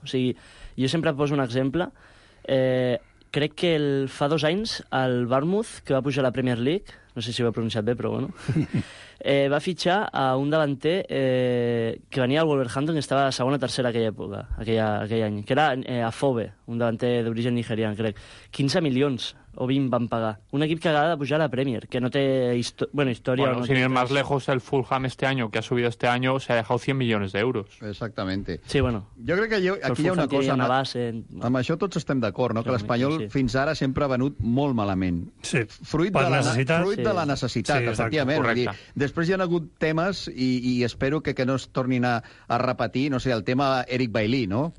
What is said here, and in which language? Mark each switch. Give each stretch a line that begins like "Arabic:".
Catalan: O sigui, jo sempre poso un exemple. Crec que fa 2 anys el Bournemouth, que va pujar a la Premier League, no sé si ho he pronunciat bé, però bueno, va fitxar a un davanter que venia al Wolverhampton, que estava a segona o tercera aquella època, aquell any, que era Afobe, un davanter d'origen nigerian, crec. 15 milions o 20 van pagar. Un equip que acaba de pujar a la Premier, que no té història... Bueno, no
Spanish: sin ir más lejos, el Fulham este año, que ha subido este año, se ha dejado 100 millones de euros. Exactamente. Sí, bueno.
Catalan: Jo crec que aquí hi ha una cosa... Amb això tots estem d'acord, no? Sí, que l'Espanyol sí. Fins ara sempre ha venut molt malament. Sí. Fruit de la necessitat, efectivament. Correcte. després hi han hagut temes, i espero que no es tornin a repetir, no sé, el tema Eric Bailly, no?